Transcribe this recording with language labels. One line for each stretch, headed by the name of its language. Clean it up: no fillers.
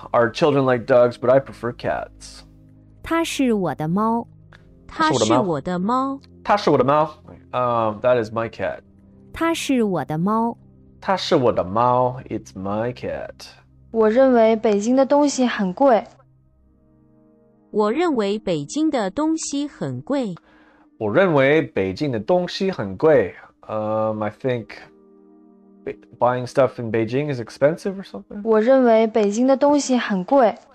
English: Our children like dogs, but I prefer cats.
Chinese: 他是我的猫。他是我的猫。他是我的猫.
English: That is my cat.
Chinese: 他是我的猫。他是我的猫.
English: It's my cat.
Chinese: 我认为北京的东西很贵。我认为北京的东西很贵。
English: I think buying stuff in Beijing is expensive or something.
Chinese: 我认为北京的东西很贵。